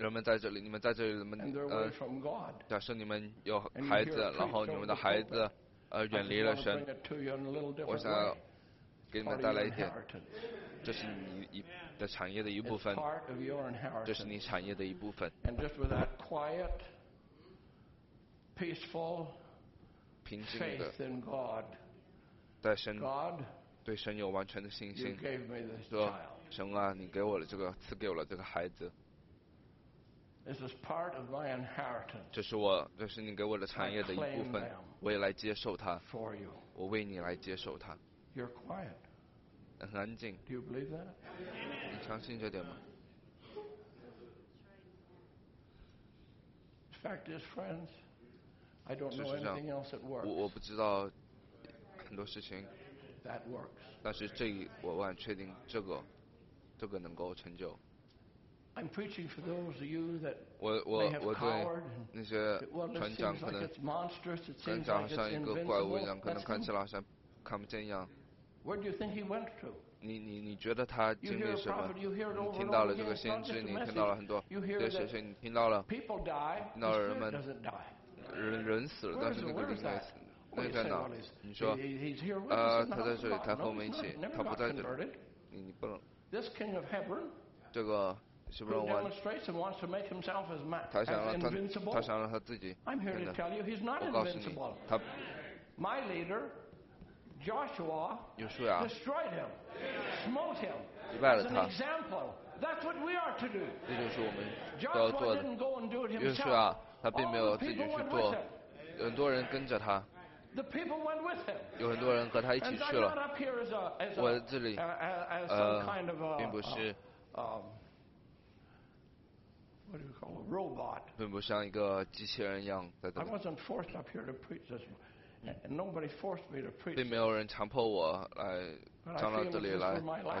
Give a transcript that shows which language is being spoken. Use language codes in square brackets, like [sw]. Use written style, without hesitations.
[zh] 人们在这里，你们在这里，人们假设你们有孩子，然后你们的孩子远离了神，我想给你们带来一点，这是你的产业的一部分，这是你产业的一部分。 [en] And just with that quiet, peaceful faith in God, [zh] 在神对神有完全的信心，说神啊，你给我了这个，赐给我了这个孩子。 [en] This is part of my inheritance. [zh] 这是我，这是你给我的产业的一部分，我也来接受它。 [en] For you. [zh] 我为你来接受它。 [en] You're quiet. [zh] 很安静。 [en] Do you believe that? [zh] 你相信这点吗 [en] ？The fact is, friends, I don't know anything else that works. [zh] 我不知道很多事情。 [en] That works. [zh] 但是这一，我很确定这个能够成就。 [en] I'm preaching for those of you that may have cowered and that, well, it seems like it's monstrous, it seems like it's invincible. That's him. Where do you think he went to? [zh] 你觉得他经历什么？ [en] you hear it over [zh] 你听到了这个先知，你听到了很多，对谁谁你听到了？ [en] People die, the spirit doesn't die. [zh] 人死了，但是那个灵没死。那在哪？你说，他在这里，他和我们一起，他不在这里。你不能。 [en] This king of heaven. [zh] 这个。是不是 [en] ？Who demonstrates and wants to make himself as man, as invincible? [zh] 他想让他自己。 [en] I'm here to tell you, he's not invincible. My leader, Joshua, destroyed him, smote him. [zh] 击败了他。 [en] As an example, that's what we are to do. [zh] 这就是我们都要做的。 [en] Joshua didn't go and do it himself. [zh] 约书亚他并没有自己去做，很多人跟着他。 [en] The people went with him. [zh] 有很多人和他一起去了。 [en] And I'm not up here as some kind of a [zh] 并不是。 [en] What do you call a robot? [zh] 并不像一个机器人一样在这里。 [en] I wasn't forced up here to preach this, and nobody forced me to preach. [zh] 并没有人强迫我来站到这里来传